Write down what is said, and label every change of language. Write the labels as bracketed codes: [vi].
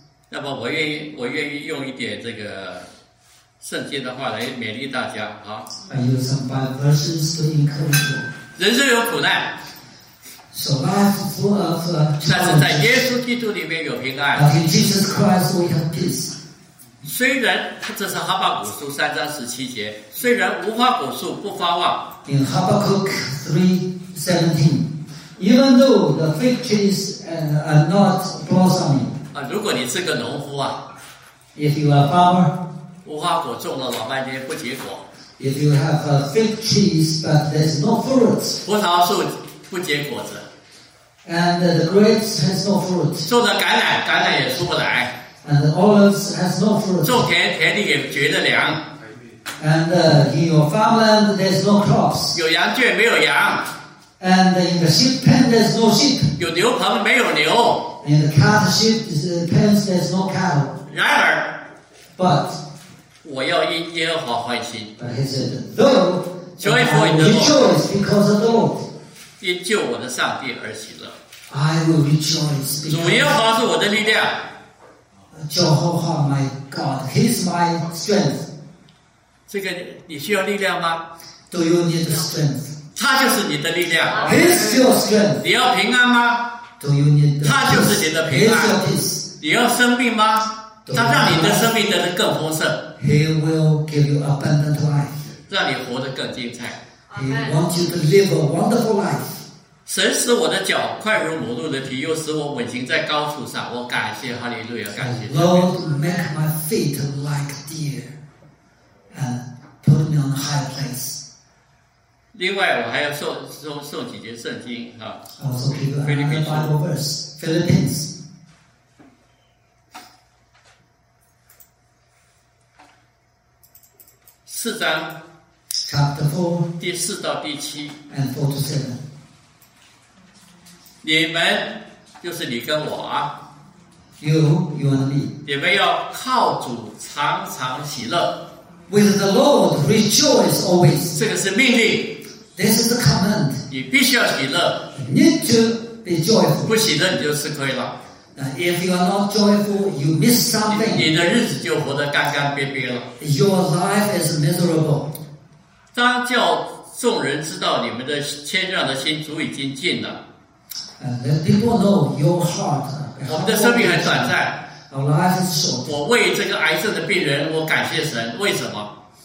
[zh] 那么我愿意用一点这个圣经的话来勉励大家啊。 [en] I use some Bible verses to encourage you. [zh] 人生有苦难。 [en] So life full of challenges. [zh] 但是在耶稣基督里面有平安。 [en] But in Jesus Christ we have peace. [zh] 虽然这是哈巴谷书三章十七节，虽然无花果树不发旺。 [en] In Habakkuk 3:17, even though the fig trees are not blossoming. [zh] 啊，如果你是个农夫啊。 [en] If you are a farmer. [zh] 无花果种了老半天不结果。 [en] If you have a fig trees but there's no fruits. [zh] 葡萄树。不结果子 [en] ，and the grapes has no fruit. [zh] 种的橄榄也出不来 [en] ，and the olives has no fruit. [zh] 种田地也觉得凉 [en] ，and in your farmland there's no crops. [zh] 有羊圈没有羊 [en] ，and in the sheep pen there's no sheep. [zh] 有牛棚没有牛 [en] ，in the cattle sheep pens there's no cattle. [zh] 然而 [en] ，but [zh] 我要因耶和华欢喜 [en] ，but he said though, joy for the Lord. Rejoice because of the Lord. [zh] 因救我的上帝而喜乐。 [en] I will rejoice. [zh] 主耶和华是我的力量。 [en] Jehovah my God, He is my strength. [zh] 这个你需要力量吗 [en] ？Do you need strength? [zh] 他就是你的力量。 [en] He's your strength. [zh] 你要平安吗？ [en] Do you need the [zh] 他就是你的平安。 [en] He's your peace. [zh] 你要生病吗？他让你的生命得的更丰盛。 [en] He will give you abundant life. [zh] 让你活得更精彩。 [en] He wants you to live a wonderful life. [zh] 神使我的脚快如母鹿的蹄，又使我稳行在高处上。我感谢哈利路亚，感谢。 [en] Lord, make my feet like deer, and put me on a high place. [zh] 另外，我还要诵几节圣经啊。 [en] Also give a Bible verse, Philippines. [zh] 四章 [en] Chapter 4, [zh] 第四到第七 [en] and 4 to 7. [zh] 你们就是你跟我啊 [en] you and me. [zh] 你们要靠主常常喜乐 [en] With the Lord rejoice always. [zh] 这个是命令 [en] This is a command. [zh] 你必须要喜乐 [en] You need to be joyful. [zh] 不喜乐你就吃亏了 [en] Now, If you are not joyful, you miss something. [zh] 你的日子就活得干干瘪瘪了 [en] Your life is miserable. [zh] 当叫众人知道你们的谦让的心足已经尽了 [en] Let people know your heart. [zh] 我们的生命很短暂 [en] Our life is short. [zh] 我为这个癌症的病人我感谢神为什么